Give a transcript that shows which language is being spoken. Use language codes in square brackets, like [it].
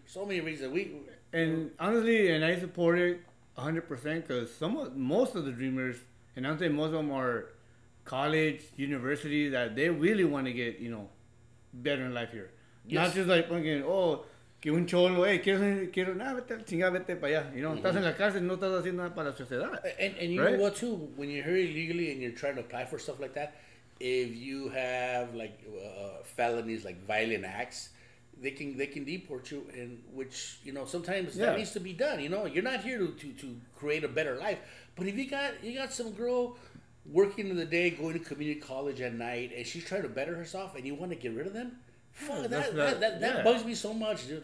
[en] So many reasons. And honestly, I support it 100% because most of the Dreamers, and I'm saying most of them are college, university, that they really want to get, you know, better in life here. Yes. Not just like fucking, [es] que un cholo, hey, quiero nada, vete, chingada, vete para allá. [en] You know, [es] estás en la cárcel, no estás haciendo nada para la sociedad. [en] And you know what, too? When you're here illegally and you're trying to apply for stuff like that, if you have, like, felonies, like violent acts, they can deport you, and which, you know, sometimes that needs to be done, you know? You're not here to create a better life. But if you got some girl working in the day, going to community college at night, and she's trying to better herself, and you want to get rid of them, that bugs me so much, dude.